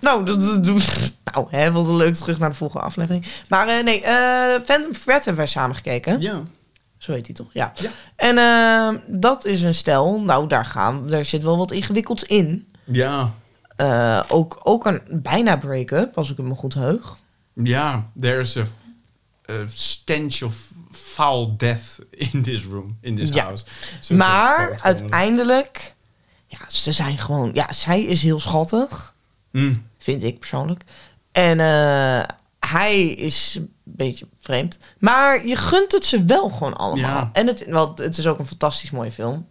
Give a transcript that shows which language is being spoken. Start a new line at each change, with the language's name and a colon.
Dutch: Nou, nou hè, wat een leuk terug naar de volgende aflevering. Maar Phantom Thread hebben wij samen gekeken. Ja. Zo heet hij toch, ja. En dat is een stel, nou daar gaan, daar zit wel wat ingewikkelds in. Ja. Ook een bijna break-up, als ik het me goed heug.
English: Ja, there is a stench of foul death in this room, in this house.
Dutch: Maar uiteindelijk, ja, ze zijn gewoon, ja, zij is heel schattig, vind ik persoonlijk. En hij is een beetje vreemd. Maar je gunt het ze wel gewoon allemaal. Ja. En het is ook een fantastisch mooie film.